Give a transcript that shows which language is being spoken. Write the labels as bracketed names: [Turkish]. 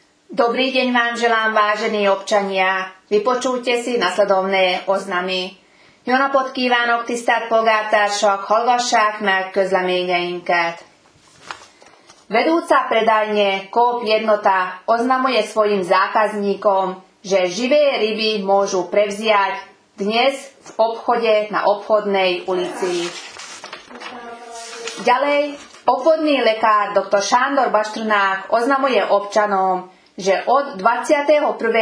[Slovak] Dobrý deň vám želám, vážení občania. Vypočujte si nasledovné oznamy. [Hungarian] Jó napot kívánok, tisztelt polgártársak, hallgassák meg közleményeinket. [Slovak] Vedúca predajne Coop Jednota oznamuje svojim zákazníkom, že živé ryby môžu prevziať dnes v obchode na obchodnej ulici. Ďalej, obvodný lekár dr. Sándor Baštrnák oznamuje občanom, že od 21.